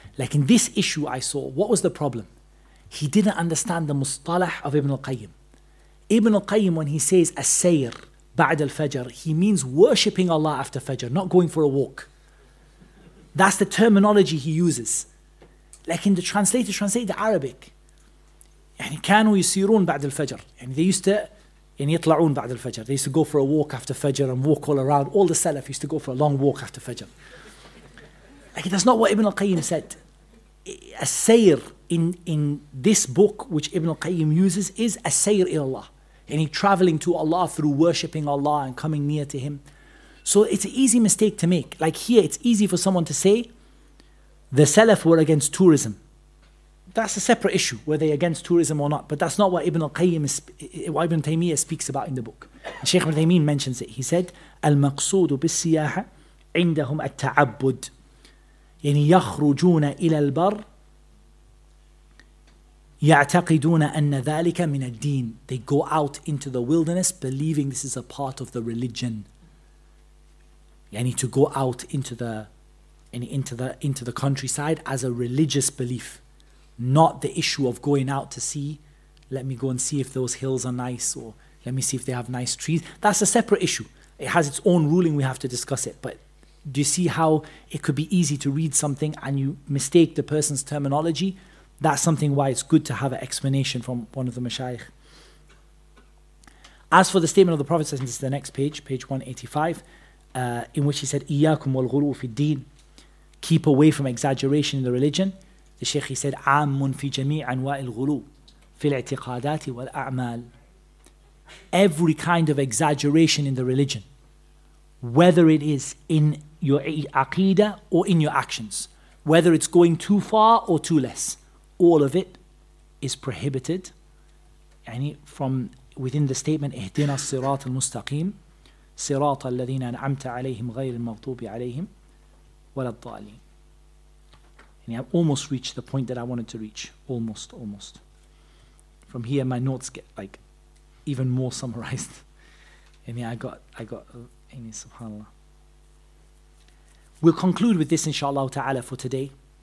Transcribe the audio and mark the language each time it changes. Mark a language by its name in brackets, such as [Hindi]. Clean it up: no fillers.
[English] Lekin this issue I saw, what was the problem? He didn't understand the mustalah of Ibn al-Qayyim. Ibn al-Qayyim, when he says as-sayr ba'd al-fajr, he means worshipping Allah after Fajr, not going for a walk. That's the terminology he uses. Like in the translator, translate the Arabic. [Arabic] يعني كانوا يسيرون بعد الفجر. يعني [English] they used to, [Arabic] يطلعون بعد الفجر. [English] They used to go for a walk after Fajr and walk all around. All the Salaf used to go for a long walk after Fajr. Like that's not what Ibn al-Qayyim said. A sayr in this book, which Ibn al-Qayyim uses, is a sayr ila Allah. يعني traveling to Allah through worshipping Allah and coming near to Him. So it's an easy mistake to make. Like here, it's easy for someone to say, the Salaf were against tourism. That's a separate issue, were they against tourism or not. But that's not what Ibn al-Qayyim, what Ibn Taymiyyah speaks about in the book. And Shaykh Ibn Taymiyyah mentions it. He said, [Arabic] "Al-maqsoodu bis-siyaha indahum at-ta'abbud." يعني يخرجون إلى البر يعتقدون أن ذلك من الدين. [English] They go out into the wilderness believing this is a part of the religion. يعني to go out into the into the countryside as a religious belief, not the issue of going out to see, let me go and see if those hills are nice, or let me see if they have nice trees. That's a separate issue. It has its own ruling, we have to discuss it. But do you see how it could be easy to read something and you mistake the person's terminology? That's something why it's good to have an explanation from one of the mashayikh. As for the statement of the Prophet, this is the next page, page 185, in which he said, [Arabic] إِيَّاكُمْ وَالْغُرُوا فِي الدِّينِ. [English] Keep away from exaggeration in the religion. The Shaykh, he said, [Arabic] عَامٌ فِي جَمِيعَ أَنْوَاءِ الْغُلُو فِي الْاِعْتِقَادَاتِ وَالْأَعْمَالِ. [English] Every kind of exaggeration in the religion, whether it is in your aqeedah or in your actions, whether it's going too far or too less, all of it is prohibited. [Arabic] يعني [English] from within the statement, [Arabic] اِهْدِنَا الصِّرَاطَ الْمُسْتَقِيمِ صِرَاطَ الَّذِينَ أَنْعَمْتَ عَلَيْهِمْ غَيْرِ الْمَغْضُوبِ عَلَيْهِمْ. [English] And I've almost reached the point that I wanted to reach. Almost. From here, my notes get like even more summarized. And yeah, I got, subhanAllah. We'll conclude with this, inshaAllah ta'ala, for today.